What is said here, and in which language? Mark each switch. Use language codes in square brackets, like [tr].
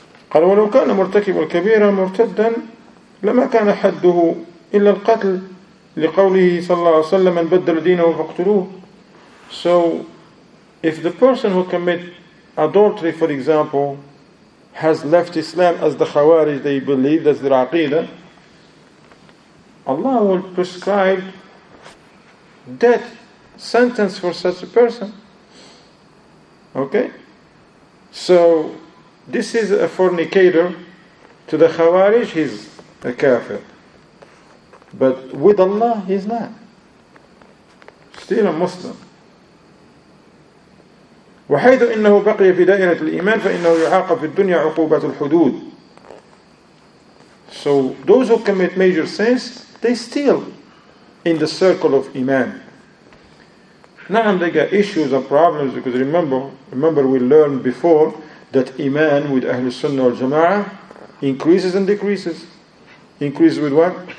[ar] قال ولو كان مرتكب الكبيرة مرتدا لما كان حده إلا القتل لقوله صلى الله عليه وسلم من بدل دينه فاقتلوه. [en] So if the person who commit adultery, for example, has left Islam, as the Khawarij, they believe, as the Aqidah, Allah will prescribe death sentence for such a person. Okay? So this is a fornicator. To the Khawarij, he's a kafir. But with Allah, he's not. Still a Muslim. [ar] وحيث إنه بقي في دائرة الإيمان فإنه يعاقب في الدنيا عقوبة الحدود. [en] So those who commit major sins, they still in the circle of Iman. Now they got issues and problems, because remember we learned before that iman with Ahlul Sunnah or Jama'ah increases and decreases. Increases with what?